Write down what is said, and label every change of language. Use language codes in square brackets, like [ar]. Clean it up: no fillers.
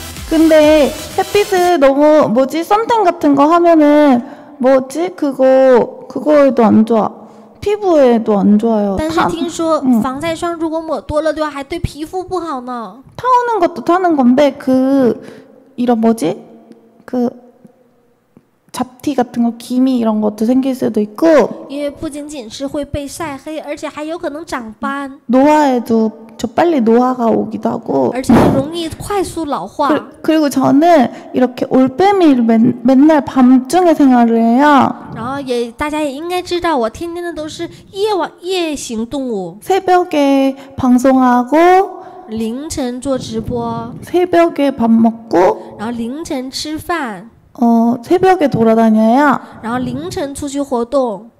[ko] 근데 햇빛을 너무 뭐지 선탠 같은 거 하면은. 뭐지? 그거에도 안 좋아. 피부에도 안 좋아요. [zh] 但是听说防晒霜如果抹多了的话还对皮肤不好呢。 [ko] 타오는 것도 타는 건데 그 이런 뭐지? 그 잡티 같은 거 기미 이런 것도 생길 수도 있고. [zh] 因为不仅仅是会被晒黑，而且还有可能长斑。 [ko] 노화에도 저 빨리 노화가 오기도 하고. [zh] 而且容易快速老化。 [ko] 그리고 저는 이렇게 올빼미를 맨날 밤중에 생활을 해요. [zh] 然后也大家也应该知道我天天的都是夜行动物。 [ko] 새벽에 방송하고. [zh] 凌晨做直播。 [ko] 새벽에 밥 먹고. [zh] 然后凌晨吃饭。 [ko] 새벽에 돌아다녀요. 그리고 [zh] 凌晨 出去活动.